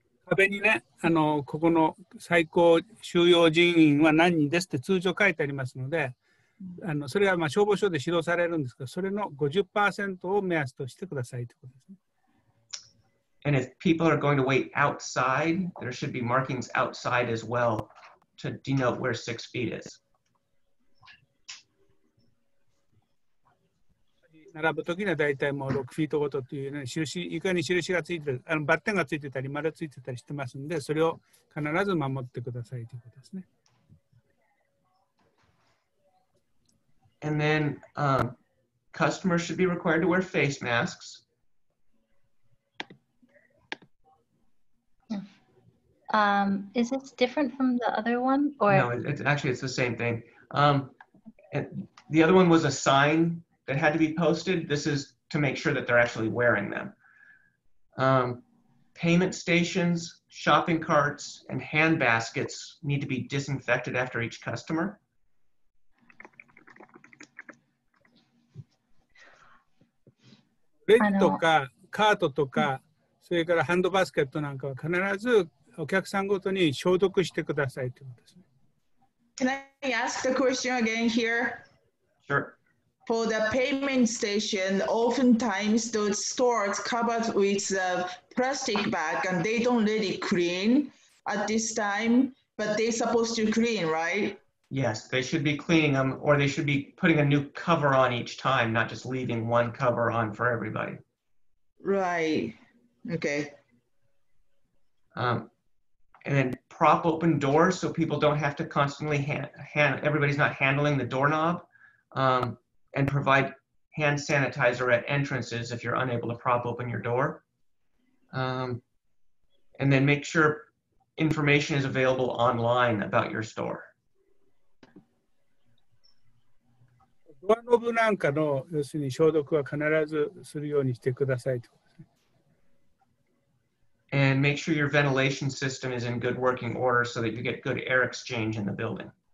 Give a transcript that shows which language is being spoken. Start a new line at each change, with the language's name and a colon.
Japanese: 壁にね、ここの最高収容人員は何人ですって通常書いてありますので、それはまあ消防署で指導されるんですけど、それの 50% を目安としてくださいということですね。
English: And if people are going to wait outside, there should be markings outside as well to denote where 6 feet is.
Japanese: 並ぶときにはだいたいもう6フィートごとという、ね、印、床に印がついてる、バッテンがついてたり丸ついてたりしてますんで、それを必ず守ってくださいということですね。
English: And then, customers should be required to wear face masks. Is this different from the other one? Or? No, it's the same thing. The other one was a sign that had to be posted. This is to make sure that they're actually wearing them. Payment stations, shopping carts, and hand baskets need to be disinfected after each customer.
Japanese: ベッドとかカートとか、それからハンドバスケットなんかは必ずお客さんごとに消毒してくださいということですね。
English: Can I ask the question again here? Sure. For the payment station, oftentimes those stores covered with a plastic bag and they don't really clean at this time, but they're supposed to clean, right? Yes, they should be cleaning them or they should be putting a new cover on each time, not just leaving one cover on for everybody. Right. Okay. And then prop open doors so people don't have to constantly everybody's not handling the doorknob. And provide hand sanitizer at entrances if you're unable to prop open your door. And then make sure information is available online about your store.
Japanese: ドアノブなんかの要するに消毒は必ずするようにしてくださいと。
English: And make sure your ventilation system is in good working order so that you get good air exchange in the building.